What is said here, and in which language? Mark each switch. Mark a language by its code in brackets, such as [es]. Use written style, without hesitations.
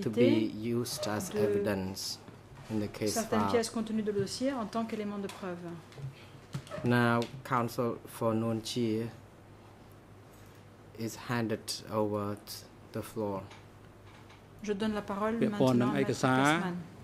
[en] to be used as evidence in the case [fr] certaines file. Pièces contenues de dossier en tant qu'élément de preuve. [en] Now, counsel for Nunchia is handed over to the floor. [fr] Je donne la parole maintenant à Maître Kassman.